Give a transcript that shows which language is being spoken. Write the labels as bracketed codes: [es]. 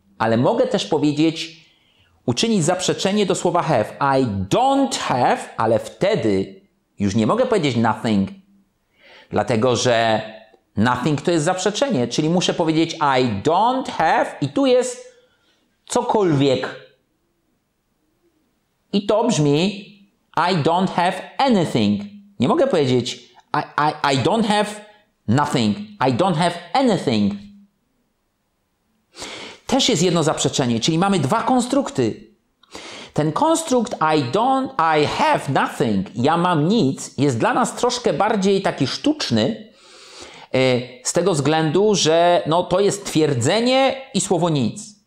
[pl] Ale mogę też powiedzieć, uczynić zaprzeczenie do słowa have. [en] I don't have, [pl] ale wtedy już nie mogę powiedzieć nothing. Dlatego, że nothing to jest zaprzeczenie, czyli muszę powiedzieć [en] I don't have [pl] i tu jest cokolwiek. I to brzmi [en] I don't have anything. [pl] Nie mogę powiedzieć [en] I don't have nothing, I don't have anything. [pl] Też jest jedno zaprzeczenie, czyli mamy dwa konstrukty. Ten konstrukt [en] I have nothing, [pl] ja mam nic, jest dla nas troszkę bardziej taki sztuczny, z tego względu, że no, to jest twierdzenie i słowo nic.